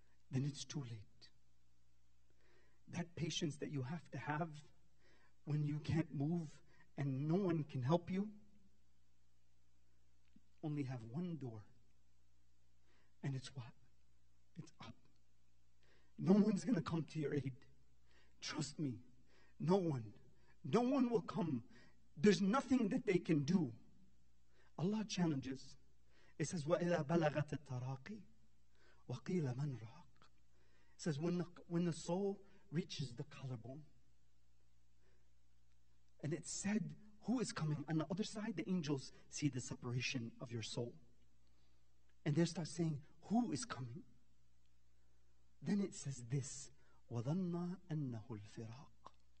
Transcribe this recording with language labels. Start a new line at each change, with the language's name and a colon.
English: Then it's too late. That patience that you have to have when you can't move and no one can help you, only have one door. And it's what? It's up. No one's going to come to your aid. Trust me. No one. No one will come. There's nothing that they can do. Allah challenges. It says,
Arabic: وَإِذَا بَلَغَتَ التَّرَاقِي وَقِيلَ مَنْ رَاقِي.
English: It says, when the soul reaches the collarbone, and it said, who is coming? On the other side, the angels see the separation of your soul. And they start saying, who is coming? Then it says this,
Arabic: وَظَنَّ أَنَّهُ الْفِرَاقِ.